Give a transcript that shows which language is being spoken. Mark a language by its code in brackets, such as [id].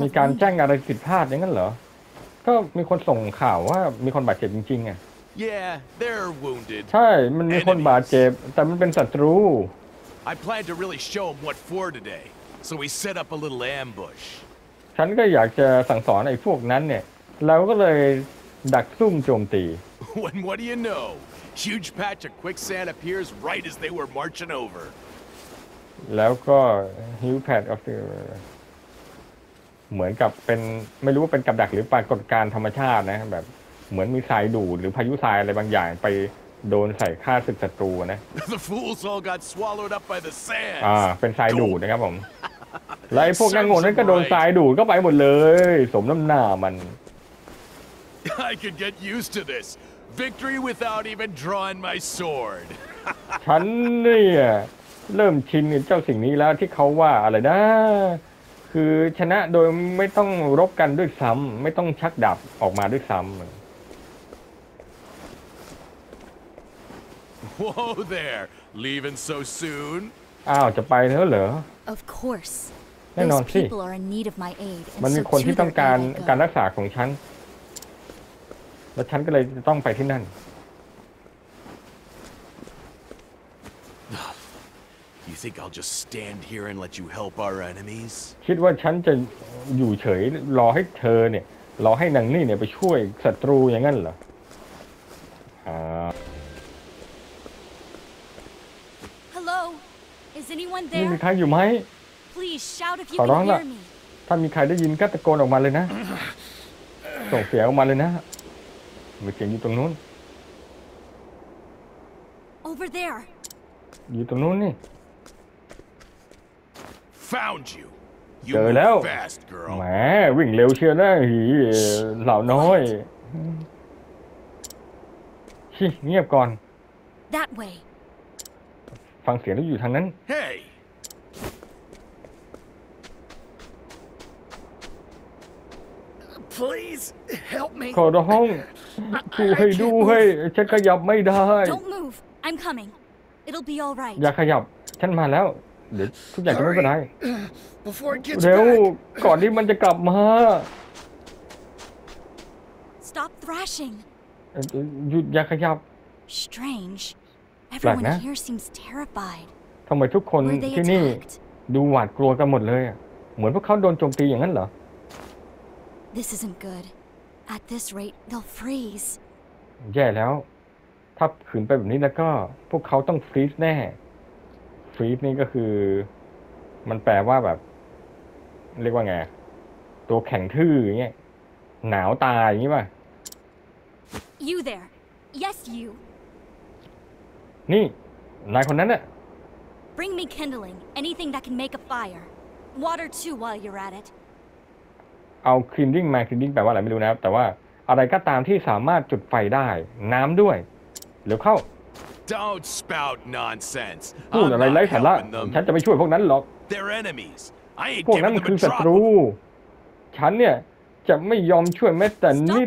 [th] มีการแจ้งอะไรผิดพลาดอย่างนั้นเหรอก็มีคนส่งข่าวว่ามีคนบาดเจ็บจริงๆอ่ะ [en] Yeah, they're wounded. [th] ใช่มันมีคนบาดเจ็บแต่มันเป็นศัตรู [en] I planned to really show them what for today. So we set up a little ambush. [th] ฉันก็อยากจะสั่งสอนไอ้พวกนั้นเนี่ยเราก็เลยดักซุ่มโจมตี [en] When what do you know? Huge patch of quicksand appears right as they were marching over. [th] แล้วก็ [en] huge patch of the [th] เหมือนกับเป็นไม่รู้ว่าเป็นกับดักหรือปรากฏการธรรมชาตินะแบบเหมือนมีทรายดูดหรือพายุทรายอะไรบางอย่างไปโดนใส่ข้าศึกศัตรูนะ [en] The fools all got swallowed up by the sand. [th] เป็นทรายดูดนะครับผม แล้วไอ้พวกนั้นงงนั่นก็โดนทรายดูดก็ไปหมดเลยสมน้ำหน้ามัน [en] I could get used to this victory without even drawing my sword [th] ฉันเนี่ยเริ่มชินกับเจ้าสิ่งนี้แล้วที่เขาว่าอะไรนะคือชนะโดยไม่ต้องรบกันด้วยซ้ำไม่ต้องชักดาบออกมาด้วยซ้ำ [en] Whoa there leaving so soon [th] อ้าวจะไปแล้วเหร [en] อ Of course [th] แน่นอนสิมันมีคนที่ต้องการการรักษาของฉันแล้วฉันก็เลยจะต้องไปที่นั่น [en] Think I'll just stand here and let you help our enemies? [th] คิดว่าฉันจะอยู่เฉยรอให้เธอเนี่ยรอให้นางนี่เนี่ยไปช่วยศัตรูอย่างนั้นเหรอ [en] Hello, is anyone there? [th] มีใครอยู่ไหม [en] Please shout if you can hear me. [th] ถ้ามีใครได้ยินก็ตะโกนออกมาเลยนะส่งเสียงออกมาเลยนะมีเสียงอยู่ตรงนู้น [en] Over there. [th] อยู่ตรงนู้นนี่ [en] found you you are a fast girl [th] แหมวิ่งเร็วเชียวนะหีเหล่าน้อยชิเงียบก่อน [en] that way [th] ฟังเสียงแล้วอยู่ทางนั้น [en] hey please help me [th] ขอร้องช่วยด้วยฉันขยับไม่ได้ [en] don't move i'm coming it'll be all right [th] อย่าขยับฉันมาแล้วเดี๋ยวทุกอย่างจะไม่เป็นไรเร็ วก่อนที่มันจะกลับมา [en] Stop thrashing [th] หยุดอย่าขยับ [en] Strange Everyone here seems terrified [th] ทำไมทุกคนที่นี่ดูหวาดกลัวกันหมดเลยเหมือนพวกเขาโดนโจมตีอย่างนั้นเหร [en] อ This isn't good At this rate they'll freeze [th] แย่แล้วถ้าขืนไปแบบนี้แล้วก็พวกเขาต้องฟรีซแน่ฟรีซนี่ก็คือมันแปลว่าแบบเรียกว่าไงตัวแข็งทื่ออย่างเงี้ยหนาวตายอย่างงี้ป่ะ [en] You there Yes you [th] นี่นายคนนั้นน่ะ [en] Bring me kindling anything that can make a fire water too while you're at it [th] เอา kindling มา kindling แปลว่าอะไรไม่รู้นะครับแต่ว่าอะไรก็ตามที่สามารถจุดไฟได้น้ำด้วยหรือเข้า [en] Don't spout nonsense. [th] พูดอะไรไร้สาระฉันจะไม่ช่วยพวกนั้นหรอก [en] They're enemies. I [th] พวกนั้นคือศัตรูฉันเนี่ยจะไม่ยอมช่วยแม้แต่นิด